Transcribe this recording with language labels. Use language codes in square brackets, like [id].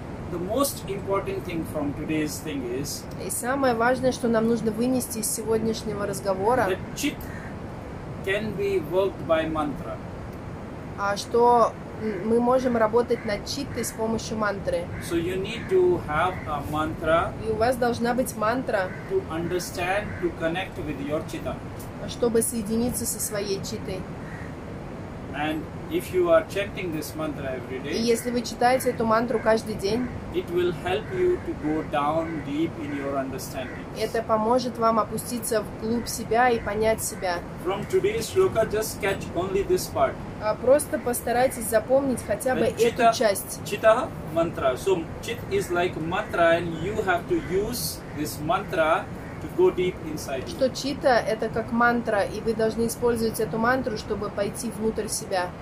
[en] The most important thing from today's thing is. [ru] И самое важное, что нам нужно вынести из сегодняшнего разговора. [en] That chit can be worked by mantra. [ru] А что мы можем работать над читой с помощью мантры? [en] So you need to have a mantra. [ru] И у вас должна быть мантра. [en] To understand, to connect with your chitta. [ru] Чтобы соединиться со своей читой. [en] And if you are chanting this mantra every day, [ru] и если вы читаете эту мантру каждый день, [en] it will help you to go down deep in your understanding. [ru] Это поможет вам опуститься вглубь себя и понять себя. [en] From today's shloka, just catch only this part. [ru] А просто постарайтесь запомнить хотя бы эту часть. [en] Chitta mantra. So chit is like mantra, and you have to use this mantra. To go deep inside you. [ru] Что чита это как мантра, и вы должны использовать эту мантру, чтобы пойти внутрь себя.